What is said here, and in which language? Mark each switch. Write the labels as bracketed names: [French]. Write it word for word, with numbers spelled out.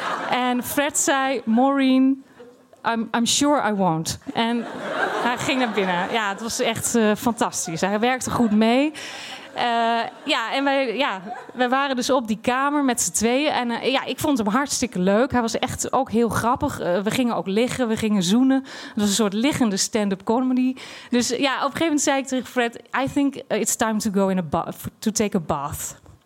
[Dutch] En Fred zei, [English] Maureen, I'm, I'm sure I won't. [Dutch] En hij ging naar binnen. Ja, het was echt uh, fantastisch. Hij werkte goed mee. Uh, ja, en wij, ja, wij waren dus op die kamer met z'n tweeën. En uh, ja, ik vond hem hartstikke leuk. Hij was echt ook heel grappig. Uh, we gingen ook liggen, we gingen zoenen. Het was een soort liggende stand-up comedy. Dus uh, ja, op een gegeven moment zei ik tegen Fred... [English] I think it's time to go in a ba- to take a bath.